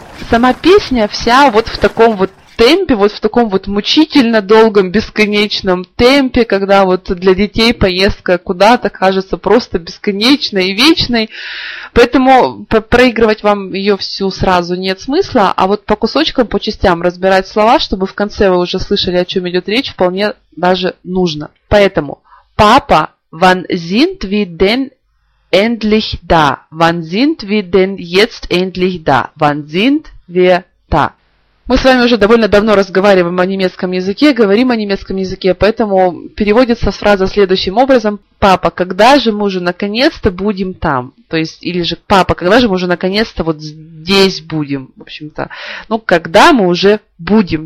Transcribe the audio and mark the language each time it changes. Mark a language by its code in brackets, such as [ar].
[ru] Сама песня вся вот в таком вот темпе, вот в таком вот мучительно долгом, бесконечном темпе, когда вот для детей поездка куда-то кажется просто бесконечной и вечной. Поэтому проигрывать вам ее всю сразу нет смысла, а вот по кусочкам, по частям разбирать слова, чтобы в конце вы уже слышали, о чем идет речь, вполне даже нужно. Поэтому «Папа, [de] wann sind wir denn endlich da? Wann sind wir denn jetzt endlich da? Wann sind wir da?» [ru] Мы с вами уже довольно давно разговариваем о немецком языке, говорим о немецком языке, поэтому переводится фраза следующим образом: «Папа, когда же мы уже наконец-то будем там?» То есть, или же «Папа, когда же мы уже наконец-то вот здесь будем?» В общем-то, ну, «когда мы уже будем?»